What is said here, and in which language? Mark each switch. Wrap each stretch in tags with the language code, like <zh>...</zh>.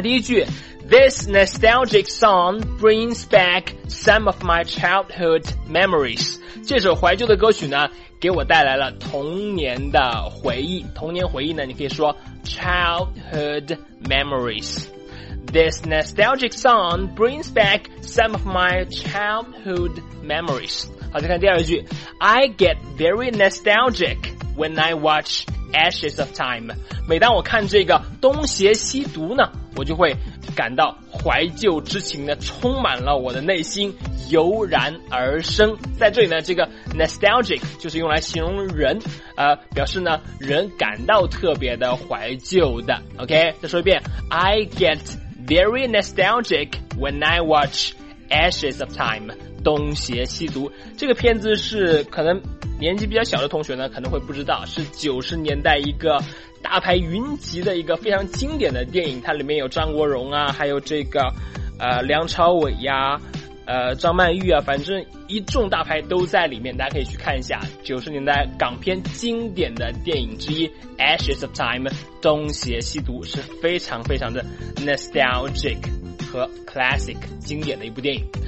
<zh>第一句，</zh> <en>This nostalgic song brings back some of my childhood memories.</en> <zh>这首怀旧的歌曲呢，给我带来了童年的回忆。童年回忆呢，你可以说</zh> <en>childhood memories. This nostalgic song brings back some of my childhood memories.</en> <zh>好，再看第二句。</zh> <en>I get very nostalgic when I watch Ashes of Time.</en> <zh>每当我看这个东邪西毒呢，我就会感到怀旧之情呢充满了我的内心，油然而生。在这里呢，这个 nostalgic 就是用来形容人，表示呢人感到特别的怀旧的。</zh> <en>OK，</en> <zh>再说一遍，</zh> <en>I get very nostalgic when I watch Ashes of Time， 东邪西毒。</en> <zh>这个片子是可能年纪比较小的同学呢可能会不知道，是90年代一个大牌云集的一个非常经典的电影，它里面有张国荣啊，还有这个梁朝伟呀，张曼玉啊，反正一众大牌都在里面，大家可以去看一下90年代港片经典的电影之一 Ashes of Time， 东邪西毒，是非常非常的 nostalgic 和 classic 经典的一部电影。</zh>